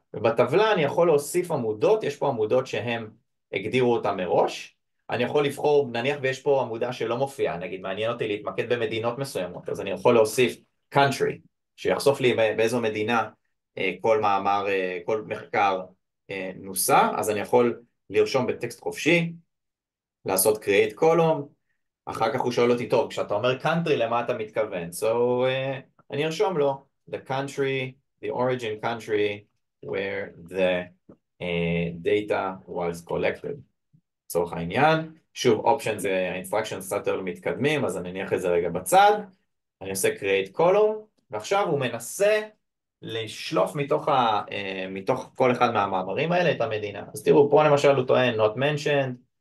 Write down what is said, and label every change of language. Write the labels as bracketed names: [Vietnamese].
[Hebrew] ובטבלה אני יכול להוסיף עמודות, יש פה עמודות שהם הגדירו אותן מראש, אני יכול לבחור, נניח ויש פה עמודה שלא מופיעה, נגיד מעניין אותי להתמקד במדינות מסוימות, אז אני יכול להוסיף country, שיחשוף לי באיזו מדינה כל מאמר, כל מחקר נוסה, אז אני יכול לרשום בטקסט חופשי, לעשות create column, אחר כך הוא שואל אותי, טוב, כשאתה אומר country, למה אתה מתכוון? [English] So, [Hebrew] אני ארשום לו, [English] the country, the origin country, where the data was collected. [Hebrew] לצורך העניין, שוב, option זה instructions קצת יותר מתקדמים, אז אני אניח את זה רגע בצד, אני עושה create column, ועכשיו הוא מנסה לשלוף מתוך, מתוך כל אחד מהמאמרים האלה את המדינה. אז תראו, פה למשל הוא טוען, not mentioned,